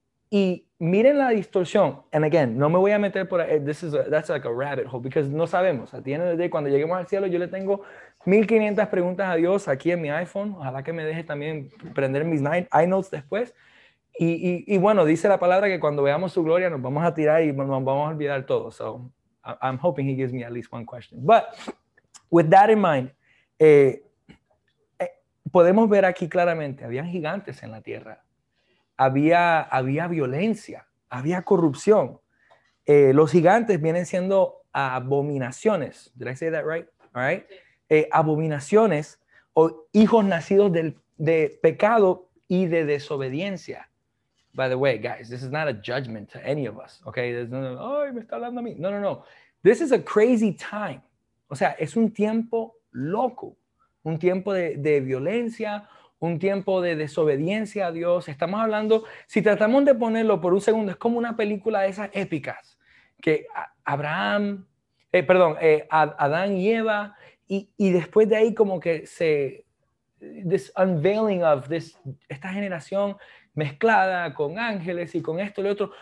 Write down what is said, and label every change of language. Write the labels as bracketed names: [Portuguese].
[Spanish] Y miren la distorsión, [English] and again, [Spanish] no me voy a meter por ahí, [English] that's like a rabbit hole, because [Spanish] no sabemos, [English] at the end of the day, [Spanish] cuando lleguemos al cielo, yo le tengo 1500 preguntas a Dios aquí en mi iPhone, ojalá que me deje también prender mis iNotes después. Y bueno, dice la palabra que cuando veamos su gloria nos vamos a tirar y nos vamos a olvidar todo. [English] So, I'm hoping he gives me at least one question. But, with that in mind, [Spanish] podemos ver aquí claramente, habían gigantes en la tierra. Había violencia, había corrupción. Los gigantes vienen siendo abominaciones. [English] Did I say that right? All right. [Spanish] Abominaciones o hijos nacidos de pecado y de desobediencia. [English] By the way, guys, this is not a judgment to any of us, okay? There's no, [Spanish] ay, me está hablando a mí. No, no, no. [English] This is a crazy time. [Spanish] O sea, es un tiempo loco, un tiempo de violencia, un tiempo de desobediencia a Dios. Estamos hablando, si tratamos de ponerlo por un segundo, es como una película de esas épicas que Abraham, perdón, Adán y Eva, y después de ahí como que se, [English] this unveiling of this, [Spanish] esta generación mezclada con ángeles y con esto y lo otro.